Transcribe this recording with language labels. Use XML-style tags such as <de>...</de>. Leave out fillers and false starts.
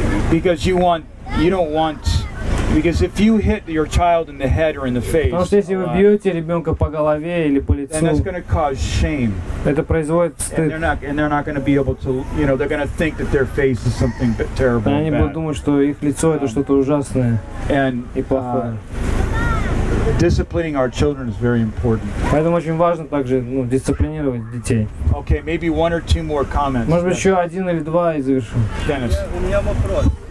<en>Because if you hit your child in the head or in the face,</en> <ru>потому что если вы бьете ребенка по голове или по лицу,</ru> <en>then that's going to cause shame.</en> <ru>Это производит стыд.</ru> <en>And they're not going to be able to, you know, they're going to think that their face is something terrible.</en> <ru>Они будут думать, что их лицо это что-то ужасное и плохое.</ru> <en>Disciplining our children is very important.</en> <ru>Поэтому очень важно также дисциплинировать детей.</ru> <en>Okay, maybe one or two more comments.</en> <ru>Может быть еще один или два и завершим.</ru> <en>Dennis.</en> <ru>У меня вопрос.</ru>